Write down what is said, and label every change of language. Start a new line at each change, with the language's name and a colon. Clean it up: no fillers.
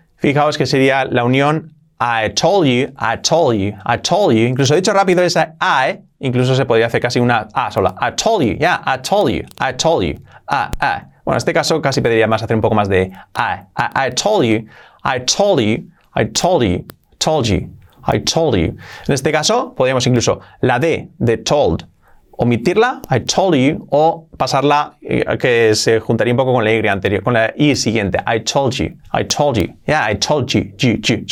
Spanish: Fijaos que sería la unión
English: I told you, I told you, I told you.
Spanish: Incluso dicho rápido esa I, incluso se podría hacer casi una A sola.
English: I told you, yeah, I told you, I told you, I.
Spanish: Bueno, en este caso casi pediría más hacer un poco más de I.
English: I told you, I told you, I told you, told you, I told you.
Spanish: En este caso podríamos incluso la D de told, omitirla,
English: I told you,
Spanish: o pasarla que se juntaría un poco con la Y anterior, con la I siguiente,
English: I told you, I told you, yeah, I told you, you,
Spanish: you.